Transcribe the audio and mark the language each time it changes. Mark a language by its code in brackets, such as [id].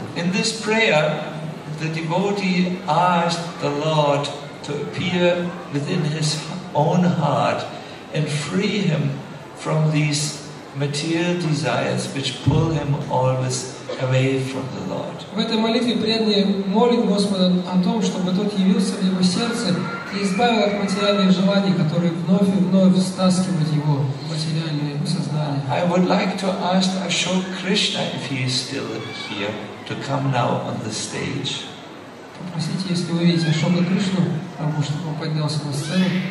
[en] In this prayer, the devotee asked the Lord to appear within his own heart and free him from these material desires which pull him always away from the Lord. [ru] В этой молитве преданный молит Господа о том, чтобы тот явился в его сердце и избавил от материальных желаний, которые вновь и вновь стаскивают его материальное сознание. [en] I would like to ask Ashok Krishna if he is still here to come now on the stage. [ru] Попросите, если вы видите Ашока Кришну, потому что он поднялся на сцену.